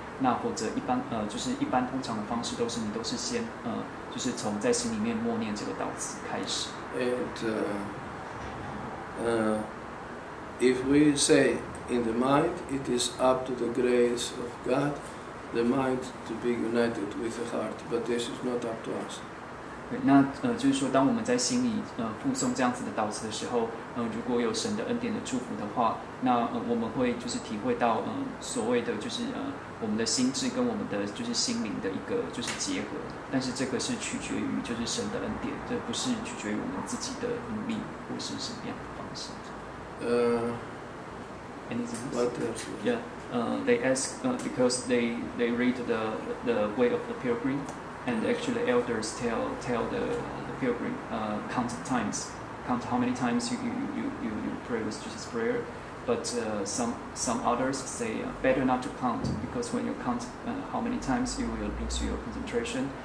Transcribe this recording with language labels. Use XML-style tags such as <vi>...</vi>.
<zh>那或者一般就是一般通常的方式，都是你都是先就是从在心里面默念这个祷词开始。</zh> <en>And if we say in the mind, it is up to the grace of God. The mind to be united with the heart, but this is not up to us.</en> <zh>那就是说，当我们在心里附送这样子的祷词的时候，如果有神的恩典的祝福的话，那我们会就是体会到所谓的就是我们的心智跟我们的就是心灵的一个就是结合。但是这个是取决于就是神的恩典，这不是取决于我们自己的努力或是什么样的方式。</zh> <en>Anything else? What else? Yeah. They ask because they read the way of the pilgrim. And actually, the elders tell the pilgrim, count the times, count how many times you pray with Jesus' prayer. But some others say, better not to count, because when you count how many times, you will lose your concentration.</en>